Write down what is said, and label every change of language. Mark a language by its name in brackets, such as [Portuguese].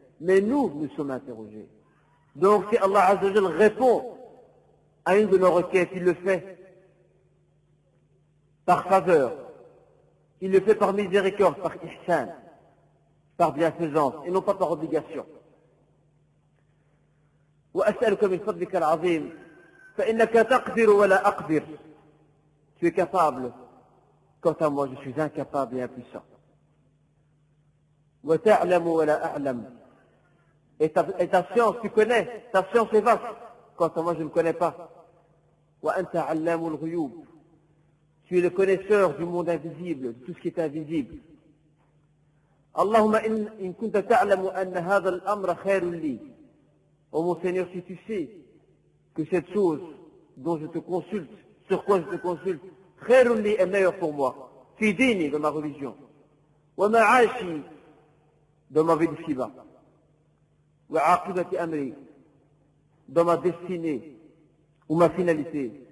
[French] Mais nous sommes interrogés. Donc si Allah Azza wa Jal répond à une de nos requêtes, il le fait. Par faveur, il le fait par miséricorde, par ihsan, par bienfaisance, et non pas par obligation. [Arabic] وأسألك من فضلك العظيم، فإنك تقدر ولا أقدر. [French] Tu es capable. Quant à moi, je suis incapable et impuissant. [Arabic] وتعلم ولا أعلم. [French] Et ta science, tu connais. Ta science est vaste. Quant à moi, je ne connais pas. [Arabic] وأنت علام الغيوب. [French] Tu es le connaisseur du monde invisible, de tout ce qui est invisible. [Arabic] اللهم إن كنت تعلم أن هذا الأمر خير لي. [French] Oh mon Seigneur, si tu sais que cette chose dont je te consulte, sur quoi je te consulte, [Arabic] خير لي [French] est meilleur pour moi, [Arabic] في ديني, [French] dans ma religion. [Arabic] ومعاشي, [French] dans ma vie d'ici bas. [Arabic] وعاقبة أمري, [French] dans ma destinée, ou ma finalité.